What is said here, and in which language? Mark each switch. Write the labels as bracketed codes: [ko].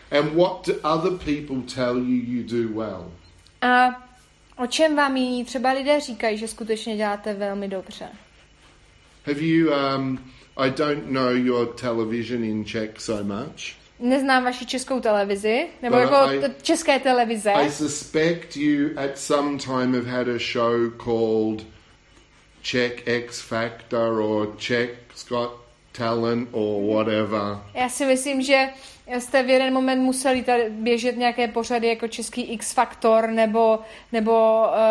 [en] And what do other people tell you you do well? [cs] A o čem vám jiní třeba lidé říkají, že skutečně děláte velmi dobře? [en] Have you I don't know your television in Czech so much. [cs] Neznám vaši českou televizi, nebo jako české televize. [en] I suspect you at some time have had a show called Czech X Factor or Czech Scott Talent or whatever. [cs] Já si myslím, že jste v jeden moment museli tady běžet nějaké pořady jako český X Factor nebo